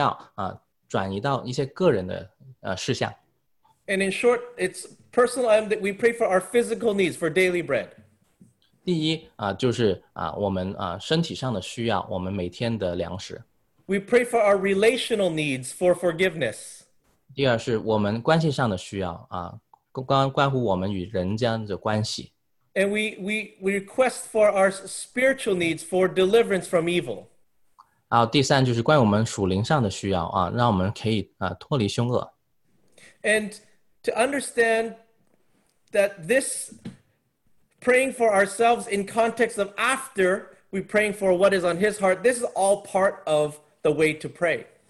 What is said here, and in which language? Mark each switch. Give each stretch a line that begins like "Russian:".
Chinese: 然后之后就有个转移，是本来是从他的国度、他的荣耀转移到一些个人的事项。
English: And in short, it's personal item that we pray for our physical needs for daily bread.
Chinese: 第一，就是我们身体上的需要，我们每天的粮食。
English: We pray for our relational needs for forgiveness.
Chinese: 第二是我们关系上的需要，关乎我们与人间的关系。
English: And we request for our spiritual needs for deliverance from evil.
Chinese: 第三就是关于我们属灵上的需要，让我们可以脱离凶恶。
English: And to understand that this praying for ourselves in context of after we praying for what is on his heart, this is all part of the way to pray.